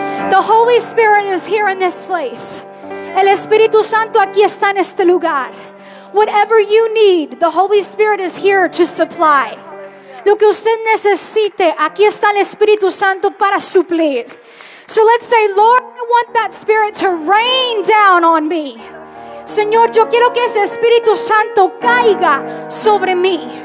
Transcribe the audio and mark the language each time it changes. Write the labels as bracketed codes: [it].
[en] The Holy Spirit is here in this place. [es] El Espíritu Santo aquí está en este lugar. [en] Whatever you need, the Holy Spirit is here to supply. [es] Lo que usted necesite, aquí está el Espíritu Santo para suplir. [en] So let's say, Lord, I want that Spirit to rain down on me. [es] Señor, yo quiero que ese Espíritu Santo caiga sobre mí.